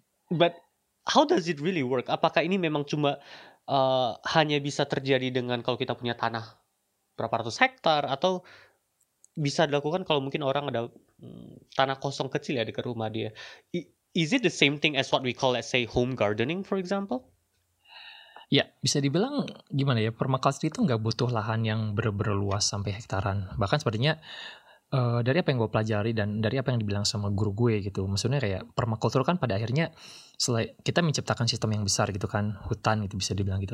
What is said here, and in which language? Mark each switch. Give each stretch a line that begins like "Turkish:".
English: But how does it really work?
Indonesian: Apakah ini memang cuma hanya bisa terjadi dengan kalau kita punya tanah berapa ratus hektar atau bisa dilakukan kalau mungkin orang ada tanah kosong kecil ya dekat rumah dia.
English: Is it the same thing as what we call, let's say, home gardening, for example?
Indonesian: Ya, bisa dibilang gimana ya, permaculture itu nggak butuh lahan yang bener-bener luas sampai hektaran. Bahkan sepertinya dari apa yang gue pelajari dan dari apa yang dibilang sama guru gue gitu, maksudnya kayak permaculture kan pada akhirnya selain kita menciptakan sistem yang besar gitu kan, hutan gitu bisa dibilang gitu.